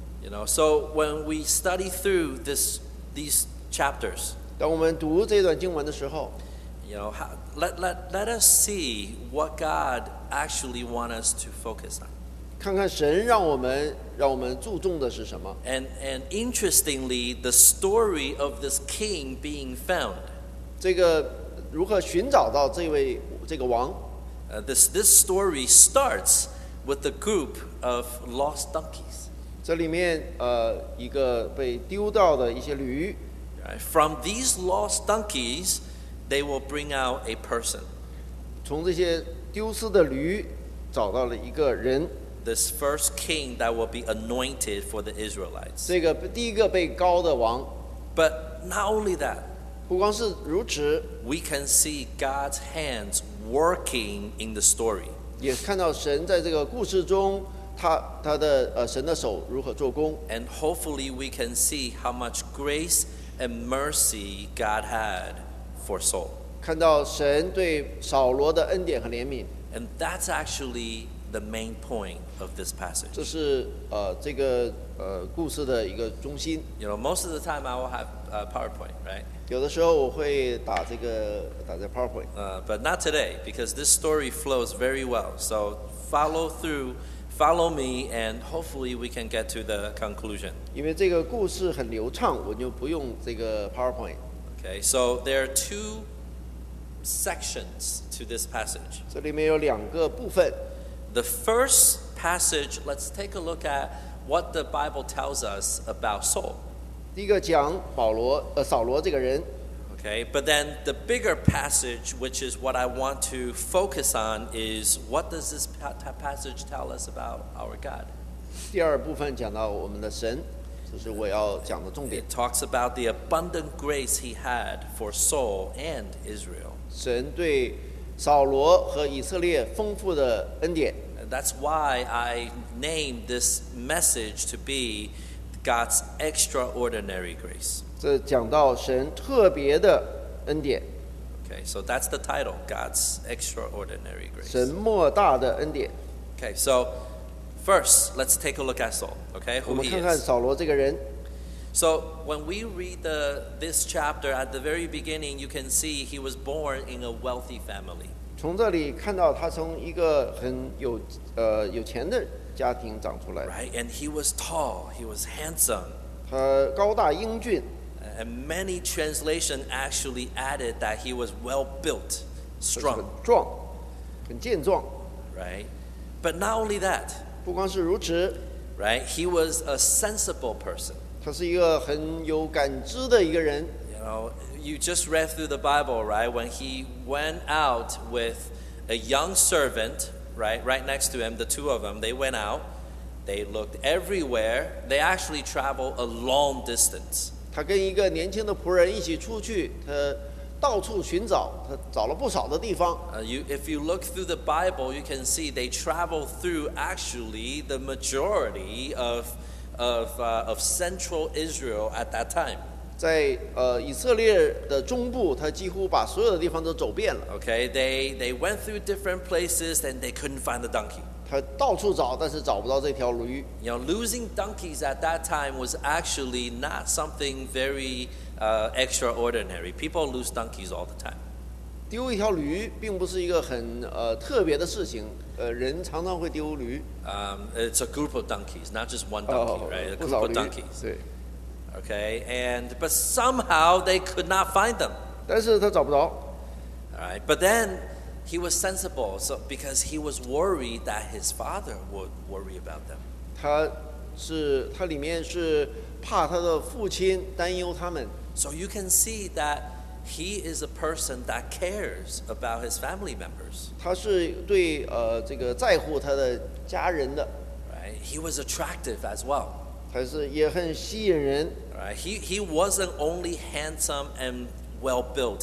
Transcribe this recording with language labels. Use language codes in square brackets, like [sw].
[en] You know, so when we study through these chapters. [zh] 当我们读这段经文的时候 [en] you know, let us see what God actually wants us to focus on. [zh] 看看神让我们注重的是什么。 [en] And interestingly, the story of this king being found. [zh] 这个如何寻找到这位这个王。 [en] This story starts with the group of lost donkeys. [zh] 这里面一个被丢掉的一些驴。 [en] From these lost donkeys, they will bring out a person. [zh] 从这些丢失的驴找到了一个人。 [en] This first king that will be anointed for the Israelites. [zh] 这个第一个被膏的王。 [en] But not only that. [zh] 不光是如此。 [en] We can see God's hands working in the story. [zh] 也看到神在这个故事中他的神的手如何做工。 [en] And hopefully we can see how much grace and mercy God had for Saul. [zh] 看到神对扫罗的恩典和怜悯。 [en] And that's actually the main point of this passage. [zh] 这是这个故事的一个中心。 [en] You know, most of the time I will have a PowerPoint, right? [zh] 有的时候我会打这个 PowerPoint. [en] But not today, because this story flows very well. So follow me, and hopefully we can get to the conclusion. [zh] 因为这个故事很流畅，我就不用这个 PowerPoint. [en] Okay, so there are two sections to this passage. [zh] 这里面有两个部分。 [en] The first passage, let's take a look at what the Bible tells us about Saul. [zh] 第一个讲扫罗这个人。 [en] Okay, but then the bigger passage, which is what I want to focus on, is what does this passage tell us about our God? [zh] 第二部分讲到我们的神，这是我要讲的重点。 [en] It talks about the abundant grace he had for Saul and Israel. [zh] 神对扫罗和以色列丰富的恩典。 [en] That's why I named this message to be God's extraordinary grace. [zh] 这讲到神特别的恩典。 [en] Okay, so that's the title, God's extraordinary grace. [zh] 神莫大的恩典。 [en] Okay, so first, let's take a look at Saul. Okay, who he is. [zh] 我们看看扫罗这个人。 [en] So when we read this chapter at the very beginning, you can see he was born in a wealthy family. [zh] 从这里看到他从一个很有钱的家庭长出来。 [en] Right, and he was tall, he was handsome. [zh] 他高大英俊。 [en] And many translations actually added that he was well built, strong. [zh] 很壮，很健壮。 [en] Right, but not only that. [zh] 不光是如此。 [en] Right, he was a sensible person. [zh] 他是一个很有感知的一个人。 [en] You know, you just read through the Bible, right? When he went out with a young servant, right next to him, the two of them, they went out, they looked everywhere, they actually traveled a long distance. [zh] 他跟一个年轻的仆人一起出去，他到处寻找，他找了不少的地方。 [en] If you look through the Bible, you can see they traveled through actually the majority of central Israel at that time. [zh] 在以色列的中部，他几乎把所有的地方都走遍了。 [en] Okay, they went through different places and they couldn't find the donkey. [zh] 他到处找，但是找不到这条驴。 [en] You know, losing donkeys at that time was actually not something very extraordinary. People lose donkeys all the time. [zh] 丢一条驴并不是一个很特别的事情。人常常会丢驴。 [en] It's a group of donkeys, not just one donkey, right? A group of donkeys. Okay, but somehow they could not find them. [zh] 但是他找不着。 [en] Alright, but then he was sensible, so because he was worried that his father would worry about them. [zh] 他里面是怕他的父亲担忧他们。 [en] So you can see that. He is a person that cares about his family members. [zh] 他是对这个在乎他的家人的。 [en] Right, he was attractive as well. [zh] 他是也很吸引人。 [en] Right, he wasn't only handsome and well built.